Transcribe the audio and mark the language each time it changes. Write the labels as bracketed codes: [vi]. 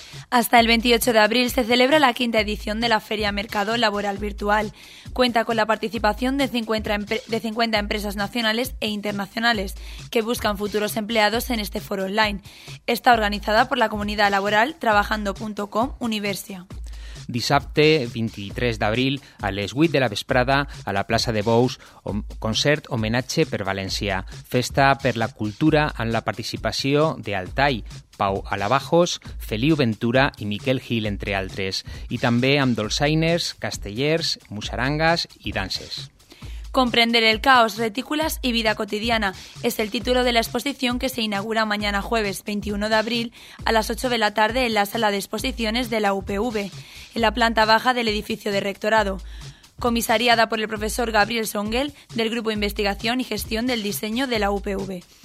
[es] Hasta el 28 de abril se celebra la quinta edición de la Feria Mercado Laboral Virtual. Cuenta con la participación de 50 empresas nacionales e internacionales que buscan futuros empleados en este foro online. Está organizada por la comunidad laboral Trabajando.com Universia. [ca] Dissabte 23 d'abril a les 8 de la vesprada a la plaça de Bous, concert homenatge per València, festa per la cultura amb la participació de Altai, Pau Alabajos, Feliu Ventura i Miquel Gil, entre altres, i també amb dolçainers, castellers, musarangas i danses. [es] Comprender el caos, retículas y vida cotidiana es el título de la exposición que se inaugura mañana jueves 21 de abril a las 8 de la tarde en la sala de exposiciones de la UPV, en la planta baja del edificio de rectorado, comisariada por el profesor Gabriel Songel del Grupo Investigación y Gestión del Diseño de la UPV.